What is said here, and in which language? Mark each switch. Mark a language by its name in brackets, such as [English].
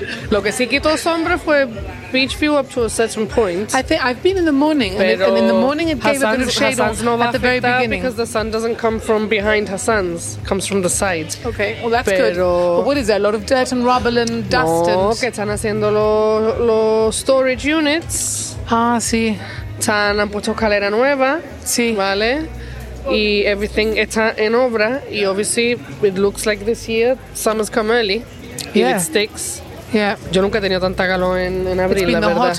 [Spanish] Lo que sí quitó sombra fue [English] beach view up to a certain point. I think I've been in the morning, and in the morning it gave Hassan's, a bit of shade [Spanish] no [English] at the very beginning. Because the sun doesn't come from behind Hassan's, comes from the side. Okay, well, that's good. But what is there? A lot of dirt and rubble and dust? No, and [Spanish] que están haciendo los storage units. Ah, sí. Están, han puesto calera nueva. Sí. Vale. Y [English] everything [Spanish] está en obra. [English] Y obviously, it looks like this year, summer's come early. Yeah. If it sticks. Yeah. [Spanish] Yo nunca he tenido tanta calor en abril, la verdad.